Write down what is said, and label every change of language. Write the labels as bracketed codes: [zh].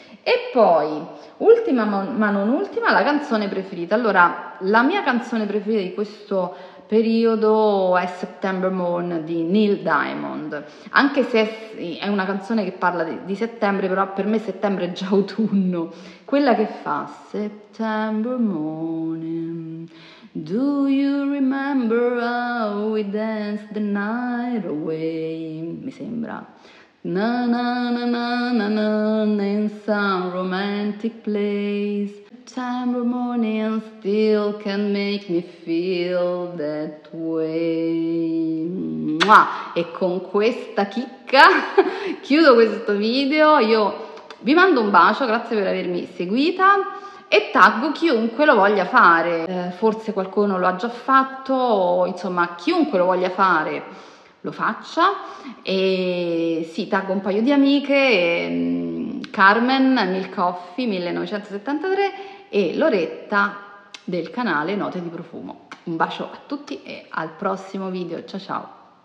[it] E poi, ultima ma non ultima, la canzone preferita. Allora, la mia canzone preferita di questo periodo è September Moon di Neil Diamond. Anche se è una canzone che parla di settembre, però per me settembre è già autunno. Quella che fa [en] September morning, do you remember how we danced the night away? [it] Mi sembra. Na na na na na na [en] in some romantic place. September morning still can make me feel that way. [it] Mua! E con questa chicca chiudo questo video. Io vi mando un bacio, grazie per avermi seguita. E taggo chiunque lo voglia fare. Forse qualcuno lo ha già fatto, o, insomma, chiunque lo voglia fare lo faccia, e sì, taggo un paio di amiche, Carmen Milcoffi 1973 e Loretta del canale Note di Profumo. Un bacio a tutti e al prossimo video, ciao ciao!